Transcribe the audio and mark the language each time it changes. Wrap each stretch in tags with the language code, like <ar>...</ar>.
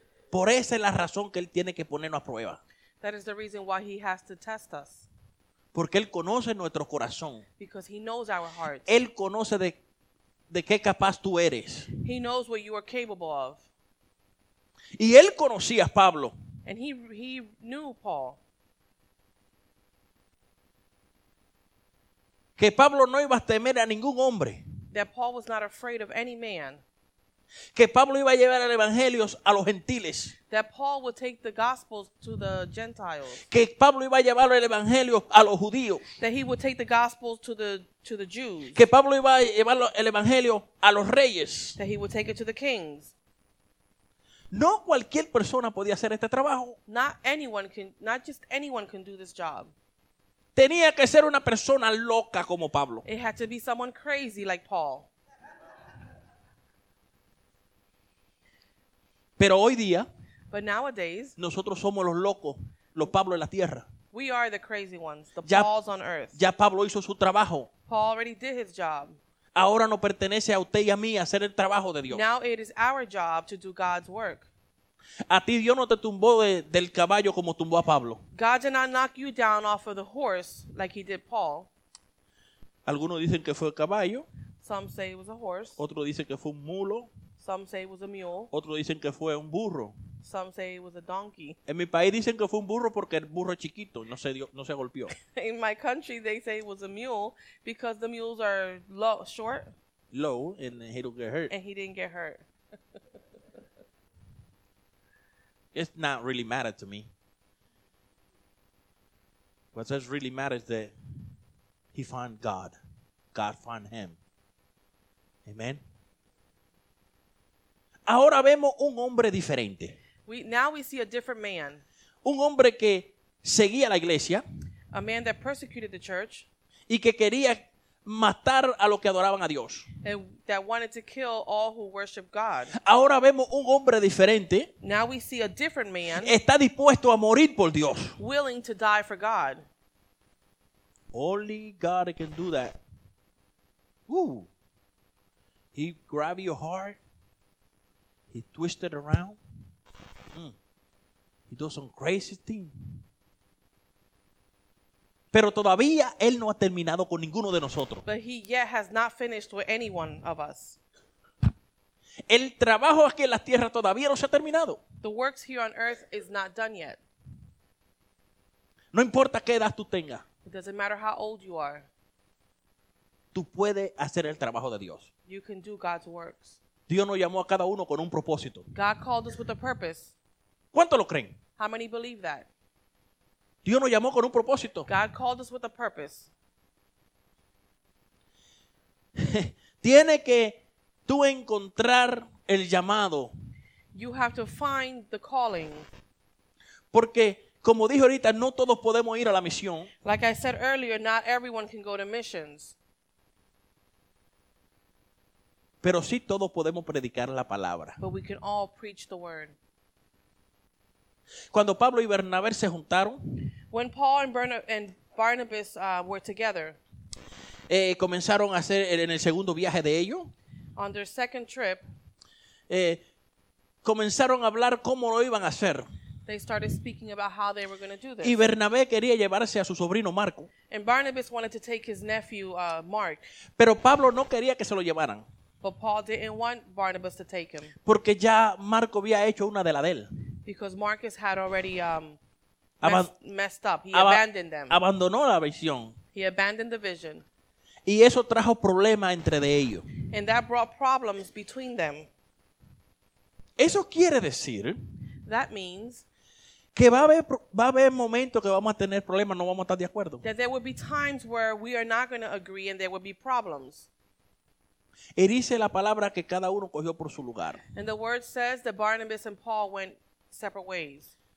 <es>Por esa es la razón que Él tiene que ponernos a prueba.</es> <en>That is the reason why He has to test us.</en> <es>Porque Él conoce nuestro corazón.</es> <en>Because He knows our hearts.</en> <es>Él conoce de qué capaz tú eres.</es> <en>He knows what you are capable of.</en> <es>Y Él conocía a Pablo.</es> <en>And he knew Paul.</en> <es>Que Pablo no iba a temer a ningún hombre.</es> <en>That Paul was not afraid of any man.</en> <es>Que Pablo iba a llevar el evangelio a los gentiles.</es> <en>That Paul would take the gospels to the Gentiles.</en> <es>Que Pablo iba a llevar el evangelio a los judíos.</es> <en>That he would take the gospels to the Jews.</en> <es>Que Pablo iba a llevar el evangelio a los reyes.</es> <en>That he would take it to the kings.</en> <es>No cualquier persona podía hacer este trabajo.</es> <en>Not just anyone can do this job.</en> <es>Tenía que ser una persona loca como Pablo.</es> <en>It had to be someone crazy like Paul.</en> <es>Pero hoy día,</es> <en>but nowadays,</en> <es>nosotros somos los locos, los Pablo en la tierra.</es> <en>We are the crazy ones, the ya, Pauls on earth.</en> <es>Ya Pablo hizo su trabajo.</es> <en>Paul already did his job.</en> <es>Ahora nos pertenece a usted y a mí hacer el trabajo de Dios.</es> <en>Now it is our job to do God's work.</en> <es>A ti Dios no te tumbó del caballo como tumbó a Pablo.</es> <en>God did not knock you down off of the horse like he did Paul.</en> <es>Algunos dicen que fue el caballo.</es> <en>Some say it was a horse.</en> <es>Otros dicen que fue un mulo.</es> <en>Some say it was a mule.</en> <es>Otros dicen que fue un burro.</es> <en>Some say it was a donkey.</en> <es>En mi país dicen que fue un burro porque el burro es chiquito y no se golpeó.</es> <en>In my country they say it was a mule because the mules are low, short. Low, and he didn't get hurt. And he didn't get hurt. It's not really matter to me. What does really matter is that he found God. God found him. Amen.</en> <es>Ahora vemos un hombre diferente.</es> <en>Now we see a different man.</en> <es>Un hombre que seguía la iglesia.</es> <en>A man that persecuted the church.</en> <es>Y que quería matar a los que adoraban a Dios.</es> <en>And that wanted to kill all who worship God.</en> <es>Ahora vemos un hombre diferente.</es> <en>Now we see a different man.</en> <es>Está dispuesto a morir por Dios.</es> <en>Willing to die for God. Only God can do that. Woo. He grabbed your heart. He twisted around. He does some crazy thing.</en> <es>Pero todavía él no ha terminado con ninguno de nosotros.</es> <en>But he yet has not finished with any one of us.</en> <es>El trabajo aquí en la tierra todavía no se ha terminado.</es> <en>The works here on earth is not done yet.</en> <es>No importa qué edad tú tengas.</es> <en>It doesn't matter how old you are.</en> <es>Tú puedes hacer el trabajo de Dios.</es> <en>You can do God's works.</en> <es>Dios nos llamó a cada uno con un propósito.</es> <en>God called us with a purpose.</en> <es>¿Cuánto lo creen?</es> <en>How many believe that?</en> <es>Dios nos llamó con un propósito.</es> <en>God called us with a purpose.</en> <es>Tiene que tú encontrar el llamado.</es> <en>You have to find the calling.</en> <es>Porque como dije ahorita, no todos podemos ir a la misión.</es> <en>Like I said earlier, not everyone can go to missions.</en> <es>Pero sí todos podemos predicar la palabra.</es> <en>But we can all preach the word.</en> <es>Cuando Pablo y Bernabé se juntaron,</es> <en>when Paul and Barnabas were together,</en> <es>comenzaron a hacer en el segundo viaje de ellos,</es> <en>on their second trip,</en> <es>comenzaron a hablar cómo lo iban a hacer.</es> <en>They started speaking about how they were going to do this.</en> <es>Y Bernabé quería llevarse a su sobrino Marco.</es> <en>And Barnabas wanted to take his nephew Mark.</en> <es>Pero Pablo no quería que se lo llevaran.</es> <en>But Paul didn't want Barnabas to take him.</en> <es>Porque ya Marco había hecho una de la de él.</es> <en>Because Marcus had already messed up. He abandoned them.</en> <es>Abandonó la visión.</es> <en>He abandoned the vision.</en> <es>Y eso trajo problemas entre de ellos.</es> <en>And that brought problems between them.</en> <es>Eso quiere decir.</es> <en>That means.</en> <es>Que va a haber momentos que vamos a tener problemas, no vamos a estar de acuerdo.</es> <en>That there will be times where we are not going to agree and there will be problems.</en> <es>Y dice la palabra que cada uno cogió por su lugar.</es> <en>And the word says that Barnabas and Paul went separate ways.</en>